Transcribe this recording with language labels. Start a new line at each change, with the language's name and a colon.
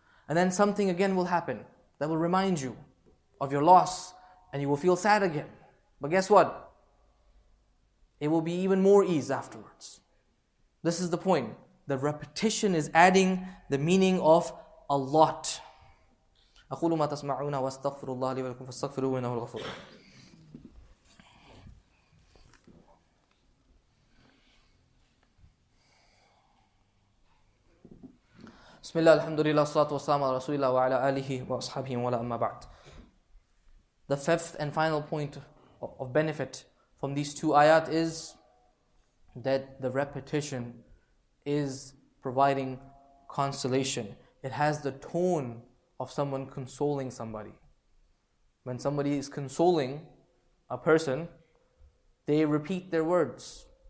English: And then something again will happen that will remind you of your loss, and you will feel sad again. But guess what? It will be even more ease afterwards. This is the point. The repetition is adding the meaning of a lot.
Arabic: أقول ما تسمعون واستغفر الله لي ولكم فاستغفروه إنه الغفور. بسم الله الحمد لله الصلاة والسلام على رسول الله وعلى آله وأصحابه ولا أما بعد.
English: The fifth and final point of benefit from these two ayat is that the repetition is providing consolation. It has the tone of someone consoling somebody. When somebody is consoling a person, they repeat their words.